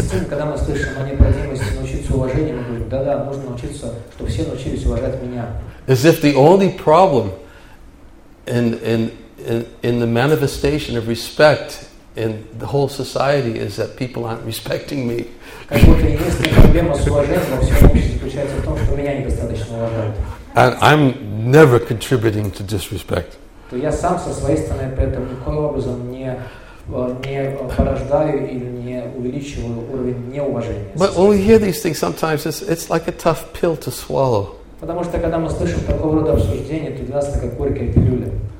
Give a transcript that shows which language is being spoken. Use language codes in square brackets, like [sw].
[ru] Когда мы слышим о необходимости научиться уважению, мы говорим: да-да, нужно научиться, чтобы все научились уважать меня. [en] As if the only problem in the manifestation of respect in the whole society is that people aren't respecting me. [ru] Как будто единственная проблема с уважением во всем обществе заключается в том, что меня недостаточно уважают. [en] And I'm never contributing to disrespect. [ru] То я сам со своей стороны при этом никоим образом не порождаю или не увеличиваю уровень неуважения. [en] But when we hear these things, sometimes it's like a tough pill to swallow. [ru] Потому что когда мы слышим такого рода обсуждения, то для нас это как горькая пилюля.